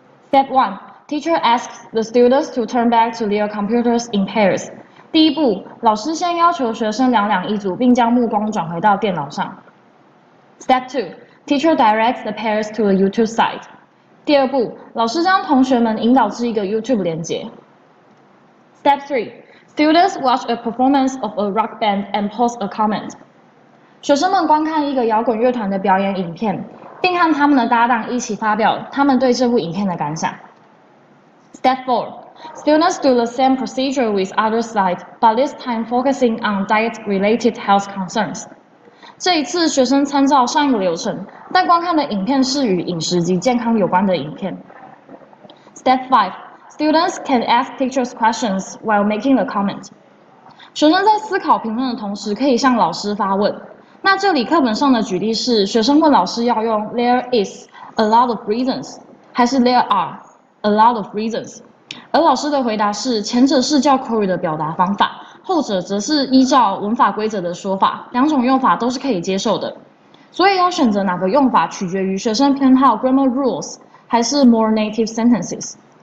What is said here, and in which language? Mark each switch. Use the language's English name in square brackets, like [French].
[English] Step 1, teacher asks the students to turn back to their computers in pairs. [Chinese] 第一步，老师先要求学生两两一组，并将目光转回到电脑上。 [English] Step 2, teacher directs the pairs to a YouTube site. [Chinese] 第二步，老师将同学们引导至一个 YouTube 连结。 [English] Step 3, students watch a performance of a rock band and post a comment. [Chinese] 学生们观看一个摇滚乐团的表演影片，并和他们的搭档一起发表他们对这部影片的感想。 [English] Step 4. Students do the same procedure with other sites, but this time focusing on diet-related health concerns. [Chinese] 这一次学生参照上一个流程，但观看的影片是与饮食及健康有关的影片。 [English] Step 5. Students can ask teachers questions while making a comment. [Chinese] 学生在思考评论的同时可以向老师发问。那这里课本上的举例是学生问老师要用 [English] there is a lot of reasons [Chinese] 还是 [English] there are a lot of reasons， [Chinese] 而老师的回答是前者是叫 query 的表达方法，后者则是依照文法规则的说法，两种用法都是可以接受的，所以要选择哪个用法取决于学生偏好 grammar rules 还是 [English] more native sentences。